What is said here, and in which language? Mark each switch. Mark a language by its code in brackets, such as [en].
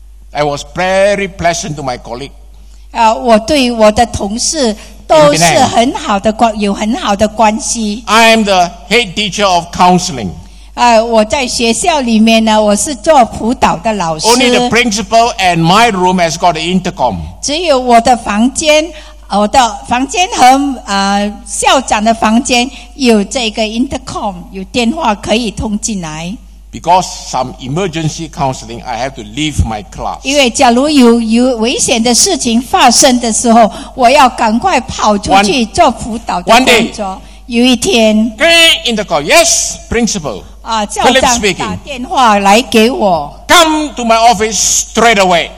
[en] I was very pleasant to my colleague. [zh] 我对我的同事都是很好的关，有很好的关系。 [en] I am the head teacher of counseling. [zh] 我在学校里面呢，我是做辅导的老师。 [en] Only the principal and my room has got an intercom. [zh] 只有我的房间，我的房间和校长的房间有这个 intercom， 有电话可以通进来。 [en] Because some emergency counseling, I have to leave my class. [zh] 因为假如有危险的事情发生的时候，我要赶快跑出去做辅导的工作。 [en] One day, [zh] 有一天 [en] ，in the call, yes, principal. [zh] 啊，校长打电话来给我。 [en] Come to my office straight away.